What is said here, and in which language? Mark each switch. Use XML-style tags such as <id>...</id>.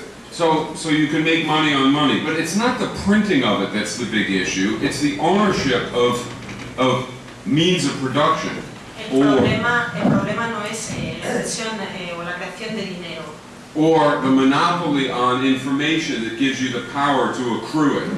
<en>So you can make money on money, but it's not the printing of it that's the big issue. It's the ownership of means of production.</en> <es>El problema no es la creación o la creación de dinero.</es> <en>Or the monopoly on information that gives you the power to accrue it.</en>